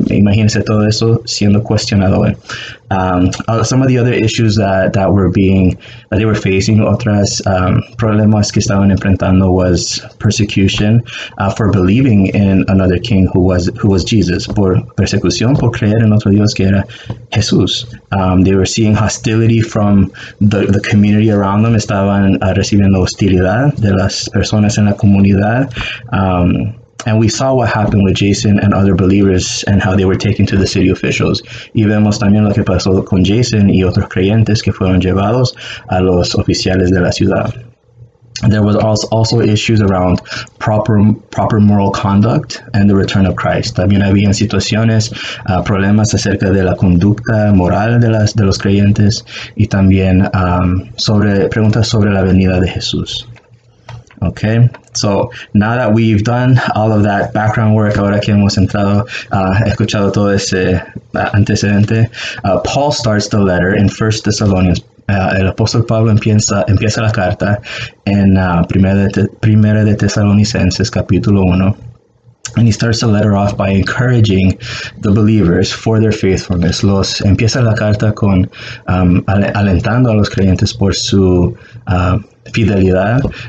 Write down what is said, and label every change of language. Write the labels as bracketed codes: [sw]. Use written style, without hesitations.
[es] Imagínese todo eso siendo cuestionado hoy. [en] Some of the other issues that they were facing, [es] otras problemas que estaban enfrentando [en] was persecution for believing in another king who was Jesus, [es] por persecución por creer en otro Dios que era Jesús. [en] They were seeing hostility from the community around them, [es] estaban recibiendo hostilidad de las personas en la comunidad. [en] And we saw what happened with Jason and other believers and how they were taken to the city officials. [es] Y vemos también lo que pasó con Jason y otros creyentes que fueron llevados a los oficiales de la ciudad. [en] There was also issues around proper moral conduct and the return of Christ. [es] También había situaciones, problemas acerca de la conducta moral de los creyentes y también preguntas sobre la venida de Jesús. [en] Okay, so now that we've done all of that background work, [es] ahora que hemos entrado, escuchado todo ese antecedente, [en] Paul starts the letter in 1 Thessalonians. [es] El apóstol Pablo empieza la carta en primera de Tesalonicenses, capítulo 1. [en] And he starts the letter off by encouraging the believers for their faithfulness. [es] Empieza la carta con alentando a los creyentes por su fidelidad.